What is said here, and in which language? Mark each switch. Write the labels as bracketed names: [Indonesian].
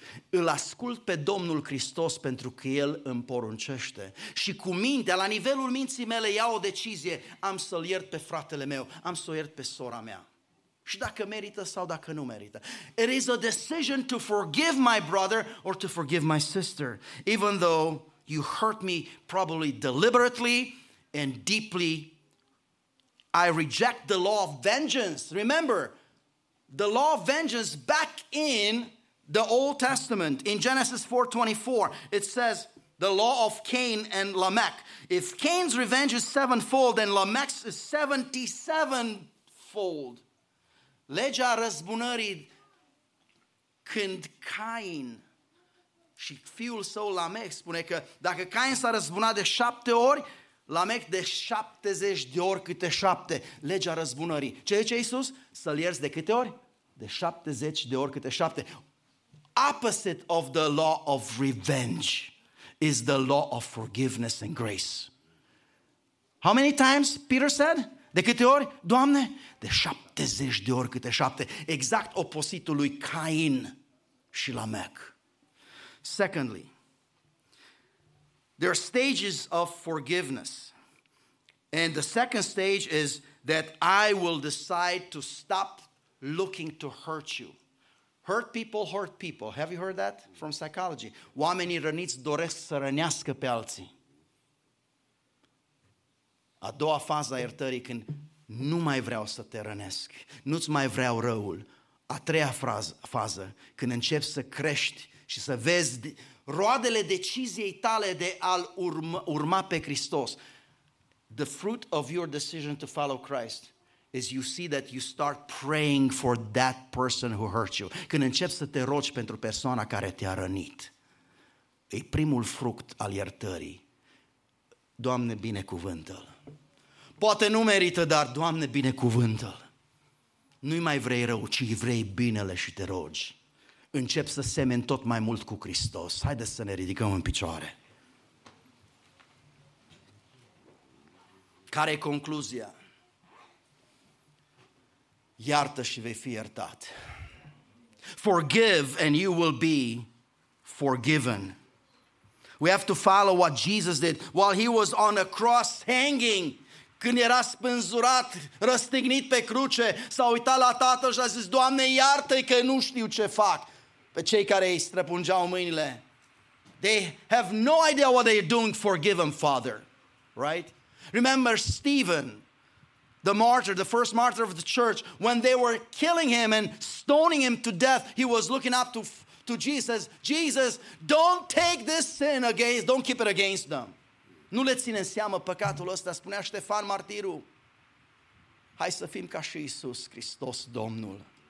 [Romanian] Îl ascult pe Domnul Hristos pentru că El îmi poruncește. Și cu mintea, la nivelul minții mele, iau o decizie. Am să-L iert pe fratele meu, am să-L iert pe sora mea. Și dacă merită sau dacă nu merită. [English] It is a decision to forgive my brother or to forgive my sister. Even though you hurt me probably deliberately and deeply, I reject the law of vengeance. Remember, the law of vengeance back in the Old Testament, in Genesis 4:24, it says, the law of Cain and Lamech. If Cain's revenge is sevenfold, then Lamech's is 77-fold. [Romanian] Legea răzbunării, când Cain și fiul său Lamech spune că dacă Cain s-a răzbunat de 7 ori, Lamech de 70 de ori câte 7. Legea răzbunării. Ce zice Iisus? Să-l ierți de câte ori? De 70 de ori câte 7. [English] Opposite of the law of revenge is the law of forgiveness and grace. How many times Peter said? [Romanian] De câte ori, Doamne? De 70 de ori câte 7. Exact opositul lui Cain și Lamech. [English] Secondly, there are stages of forgiveness. And the second stage is that I will decide to stop looking to hurt you. Hurt people hurt people. Have you heard that from psychology? [Romanian] Oamenii răniți doresc să rănească pe alții. A doua fază a iertării, când nu mai vreau să te rănesc, nu-ți mai vreau răul. A treia fază, când începi să crești și să vezi roadele deciziei tale de a-L urma pe Hristos. [English] The fruit of your decision to follow Christ is you see that you start praying for that person who hurt you. [Romanian] Când începi să te rogi pentru persoana care te-a rănit, e primul fruct al iertării. Doamne, binecuvântă-l. Poate nu merită, dar Doamne, binecuvântă-l. Nu-i mai vrei rău, ci vrei binele și te rogi. Încep să semeni tot mai mult cu Hristos. Haideți să ne ridicăm în picioare. Care e concluzia? Iartă și vei fi iertat. [English] Forgive and you will be forgiven. We have to follow what Jesus did while he was on a cross hanging. [Romanian] Când era spânzurat, răstignit pe cruce, s-a uitat la Tatăl și a zis, Doamne, iartă-i că nu știu ce fac. Pe cei care îi străpungeau mâinile. [English] They have no idea what they're doing, forgive them, Father. Right? Remember Stephen, the martyr, the first martyr of the church, when they were killing him and stoning him to death, he was looking up to Jesus. Jesus, don't take this sin against, don't keep it against them. [Romanian] Nu le ține în seamă păcatul ăsta, spunea Ștefan martirul. Hai să fim ca și Iisus Hristos, Domnul.